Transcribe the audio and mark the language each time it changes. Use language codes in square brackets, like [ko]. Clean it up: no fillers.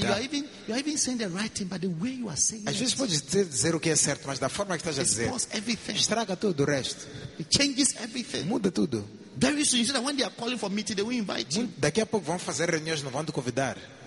[en] Sometimes you are even saying the right thing, but the way you are saying. [pt] Às vezes podes dizer o que é certo, mas da forma que estás a dizer. [en] It spoils everything. [pt] Estraga tudo o resto. [en] It changes everything. [pt] Muda tudo. [en] Very soon, you see that when they are calling for meeting, they will invite you. [pt] Daqui a pouco vão fazer reuniões, não vão te convidar.